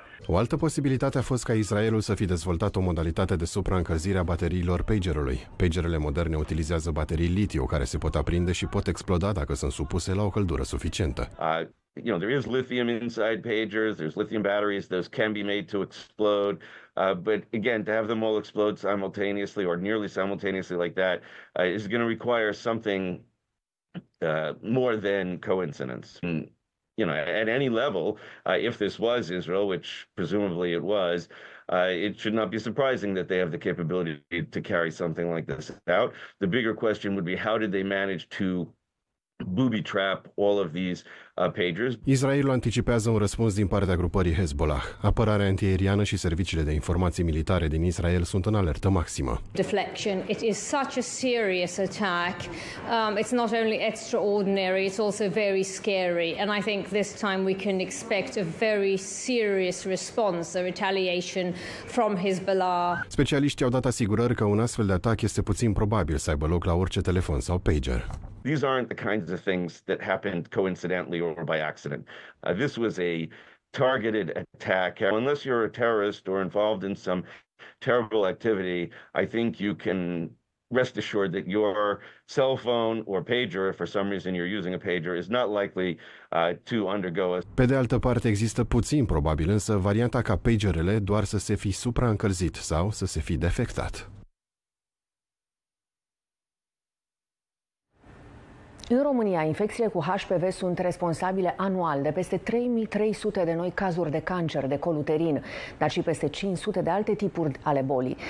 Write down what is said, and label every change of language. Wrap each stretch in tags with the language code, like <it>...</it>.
<ro>O altă posibilitate a fost ca Israelul să fi dezvoltat o modalitate de supraîncălzire a bateriilor pagerului. Pagerele moderne utilizează baterii litiu care se pot aprinde și pot exploda dacă sunt supuse la o căldură suficientă.</ro> <en>There is lithium inside pagers, there's lithium batteries, those can be made to explode. But again, to have them all explode simultaneously or nearly simultaneously like that is going to require something more than coincidence. At any level, if this was Israel, which presumably it was, it should not be surprising that they have the capability to carry something like this out. The bigger question would be, how did they manage to booby trap all of these pagers?</en> <ro>Israel anticipează un răspuns din partea grupării Hezbollah. Apărarea antiaeriană și serviciile de informații militare din Israel sunt în alertă maximă.</ro> <en>Deflection, it is such a serious attack. It's not only extraordinary, it's also very scary. And I think this time we can expect a very serious response, a retaliation from Hezbollah.</en> <ro>Specialiștii au dat asigurări că un astfel de atac este puțin probabil să aibă loc la orice telefon sau pager.</ro> <en>These aren't the kinds of things that happened coincidentally or by accident. This was a targeted attack. Unless you're a terrorist or involved in some terrible activity, I think you can rest assured that your cell phone or pager, if for some reason you're using a pager, is not likely to undergo a...</en> <ro>Pe de altă parte, există puțin probabil însă varianta ca pagerele doar să se fi supraîncălzit sau să se fi defectat. În România, infecțiile cu HPV sunt responsabile anual de peste 3.300 de noi cazuri de cancer de col uterin, dar și peste 500 de alte tipuri ale bolii.</ro>